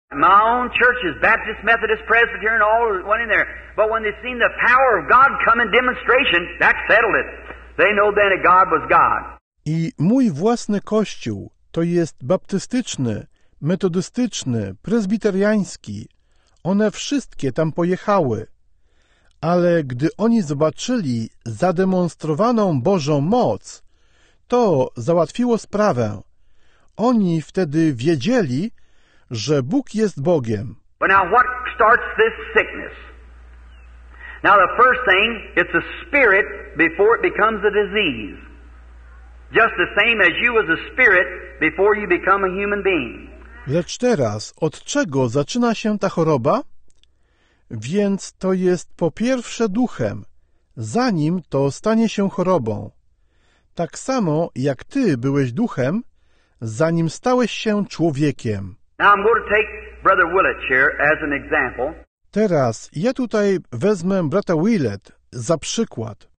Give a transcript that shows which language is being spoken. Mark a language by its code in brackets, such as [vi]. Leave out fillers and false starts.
[en] My own churches, Baptist, Methodist, Presbyterian, all went in there. But when they seen the power of God come in demonstration, that settled it. They know then that God was God. [pl] I mój własny kościół, to jest baptystyczny, metodystyczny, prezbiteriański, one wszystkie tam pojechały. Ale gdy oni zobaczyli zademonstrowaną Bożą moc, to załatwiło sprawę. Oni wtedy wiedzieli, że Bóg jest Bogiem. [en] But now what starts this sickness? Now the first thing, it's a spirit before it becomes a disease. Just the same as you as a spirit before you become a human being. [pl] Lecz teraz, od czego zaczyna się ta choroba? Więc to jest po pierwsze duchem, zanim to stanie się chorobą. Tak samo jak ty byłeś duchem, zanim stałeś się człowiekiem. [en] Now I'm going to take Brother Willett here as an example. [pl] Teraz ja tutaj wezmę brata Willett za przykład.